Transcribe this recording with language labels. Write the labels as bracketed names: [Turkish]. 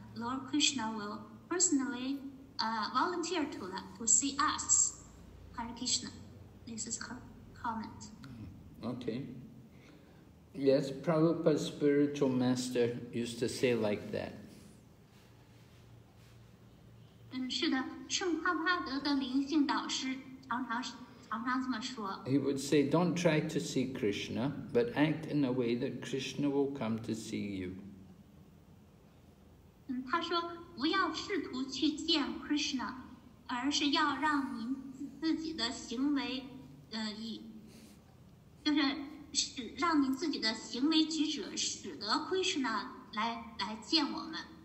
[English] Lord Krishna will personally volunteer to see us. Hare Krishna. This is her comment. Okay. Yes, Prabhupada's spiritual master used to say like that. [Chinese] 是的，圣帕帕德的灵性导师常常这么说。 [English] He would say, "Don't try to see Krishna, but act in a way that Krishna will come to see you." [Chinese] 他说，不要试图去见 Krishna, 而是要让您自己的行为举止使得 Krishna 来见我们。